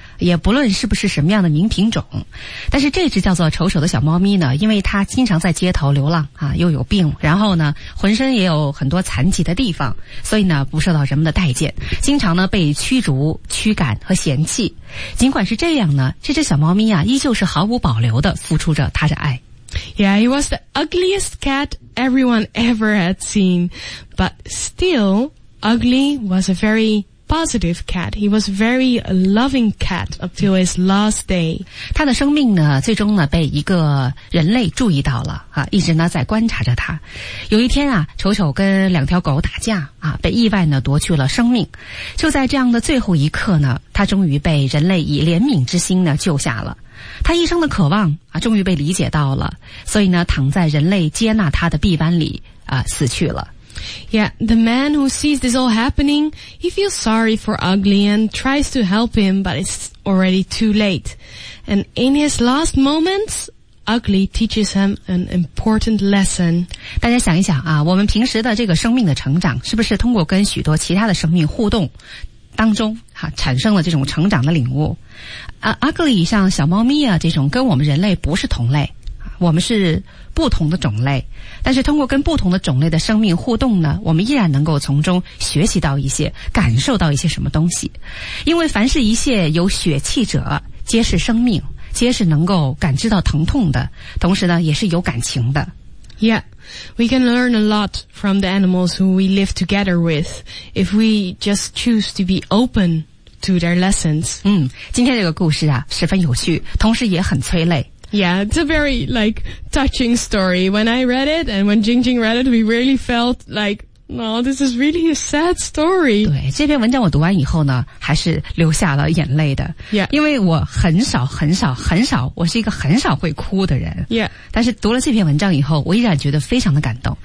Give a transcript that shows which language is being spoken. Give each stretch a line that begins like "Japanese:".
Chinese: 也不论是不是什么样的名品种，但是这只叫做丑丑的小猫咪呢，因为它经常在街头流浪啊，又有病，然后呢，浑身也有很多残疾的地方，所以呢，不受到人们的待见，经常呢被驱逐、驱赶和嫌弃。尽管是这样呢，这只小猫咪啊，依旧是毫无保留地付出着它的爱。
English: Yeah, he was the ugliest cat everyone ever had seen, but still, ugly was a very... positive cat. He was very loving cat up till his last day.
Chinese: 他的生命呢，最终呢被一个人类注意到了啊，一直呢在观察着他。有一天啊，丑丑跟两条狗打架啊，被意外呢夺去了生命。就在这样的最后一刻呢，他终于被人类以怜悯之心呢救下了。他一生的渴望啊，终于被理解到了，所以呢躺在人类接纳他的臂弯里啊死去了。
English: Yeah, the man who sees this all happening, he feels sorry for Ugly and tries to help him, but it's already too late. And in his last moments, Ugly teaches him an important lesson.
Chinese: 大家想一想啊，我们平时的这个生命的成长，是不是通过跟许多其他的生命互动当中啊，产生了这种成长的领悟？ Ugly 像小猫咪啊，这种跟我们人类不是同类，我们是不同的种类。但是通过跟不同的种类的生命互动呢，我们依然能够从中学习到一些，感受到一些什么东西。因为凡是一切有血气者，皆是生命，皆是能够感知到疼痛的，同时呢，也是有感情的。
English: Yeah, we can learn a lot from the animals who we live together with, if we just choose to be open to their lessons.
Chinese: 今天这个故事啊，十分有趣，同时也很催泪。
English: Yeah, it's a very, like, touching story. When I read it and when Jing Jing read it, we really felt like, oh, this is really a sad story.
Chinese: 对，这篇文章我读完以后呢，还是流下了眼泪的。
English: Yeah.
Chinese: 因为我很少很少很少，我是一个很少会哭的人。
English: Yeah.
Chinese: 但是读了这篇文章以后，我依然觉得非常的感动。